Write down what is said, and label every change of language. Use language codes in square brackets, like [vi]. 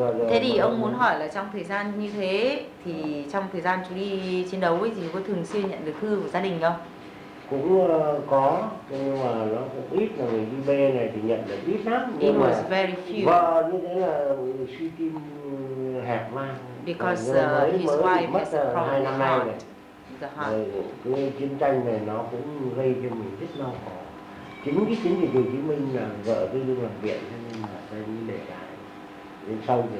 [vi] Thế thì ông muốn hỏi là trong thời gian như thế thì trong thời gian chú đi chiến đấu ấy thì có thường xuyên nhận được thư của gia đình không? Cũng có nhưng mà nó cũng ít, là người đi B này thì nhận được ít lắm. [en] It was very few. [vi] Vợ như thế là suy tim hẹp mang. [en] Because his wife has a problem with the heart. [vi] Cái chiến tranh này nó cũng gây cho mình rất đau khổ. Chính cái chiến dịch Hồ Chí Minh là vợ tôi đi làm viện cho nên là tôi đi để lại.